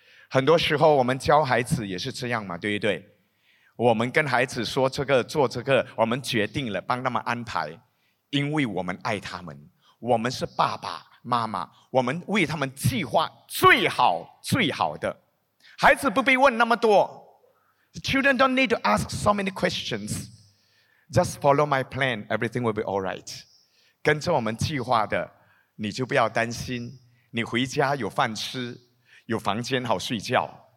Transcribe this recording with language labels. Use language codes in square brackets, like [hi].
[zh] 很多时候我们教孩子也是这样嘛，对不对？我们跟孩子说这个，做这个，我们决定了，帮他们安排。因为我们爱他们，我们是爸爸妈妈，我们为他们计划最好最好的。孩子不必问那么多。 [en] The children don't need to ask so many questions. Just follow my plan, everything will be all right. [zh] 跟着我们计划的，你就不要担心，你回家有饭吃，有房间好睡觉。